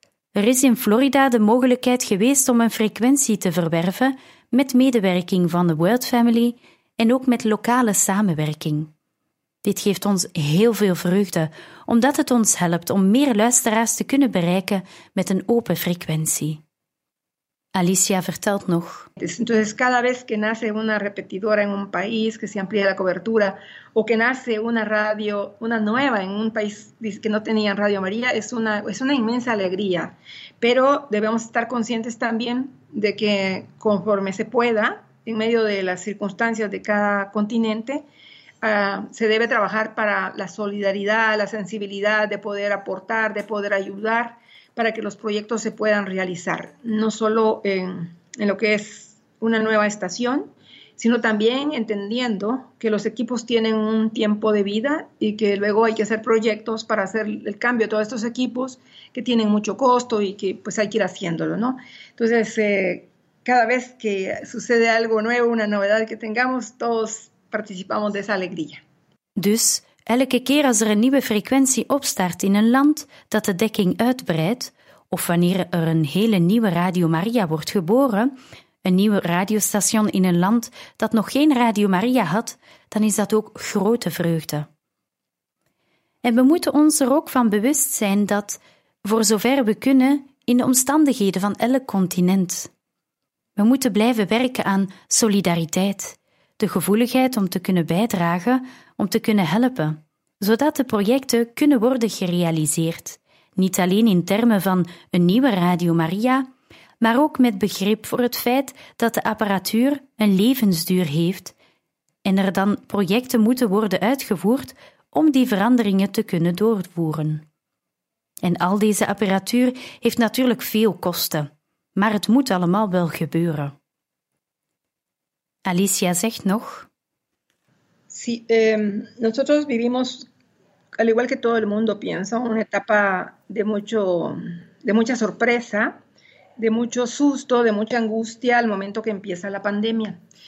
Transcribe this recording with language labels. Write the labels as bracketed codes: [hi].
[nl] Er is in Florida de mogelijkheid geweest om een frequentie te verwerven met medewerking van de World Family en ook met lokale samenwerking. Dit geeft ons heel veel vreugde, omdat het ons helpt om meer luisteraars te kunnen bereiken met een open frequentie. Alicia vertelt nog. [es] Entonces, cada vez que nace una repetidora en un país, que se amplía la cobertura, o que nace una radio, una nueva en un país que no tenía Radio María, es una inmensa alegría. Pero debemos estar conscientes también de que conforme se pueda, en medio de las circunstancias de cada continente, se debe trabajar para la solidaridad, la sensibilidad de poder aportar, de poder ayudar para que los proyectos se puedan realizar, no solo en lo que es una nueva estación, sino también entendiendo que los equipos tienen un tiempo de vida y que luego hay que hacer proyectos para hacer el cambio de todos estos equipos que tienen mucho costo y que pues hay que ir haciéndolo, ¿no? Entonces, cada vez que sucede algo nuevo, una novedad que tengamos, todos participamos de esa alegría. [nl] Dus, elke keer als er een nieuwe frequentie opstart in een land dat de dekking uitbreidt, of wanneer er een hele nieuwe Radio Maria wordt geboren, een nieuwe radiostation in een land dat nog geen Radio Maria had, dan is dat ook grote vreugde. En we moeten ons er ook van bewust zijn dat, voor zover we kunnen, in de omstandigheden van elk continent. We moeten blijven werken aan solidariteit, de gevoeligheid om te kunnen bijdragen, om te kunnen helpen, zodat de projecten kunnen worden gerealiseerd, niet alleen in termen van een nieuwe Radio Maria, maar ook met begrip voor het feit dat de apparatuur een levensduur heeft en er dan projecten moeten worden uitgevoerd om die veranderingen te kunnen doorvoeren. En al deze apparatuur heeft natuurlijk veel kosten, maar het moet allemaal wel gebeuren. Alicia zegt nog. [es] Sí, nosotros vivimos, al igual que todo el mundo, pienso, una etapa de mucha sorpresa, de mucho susto, de mucha angustia al momento que empieza la pandemia.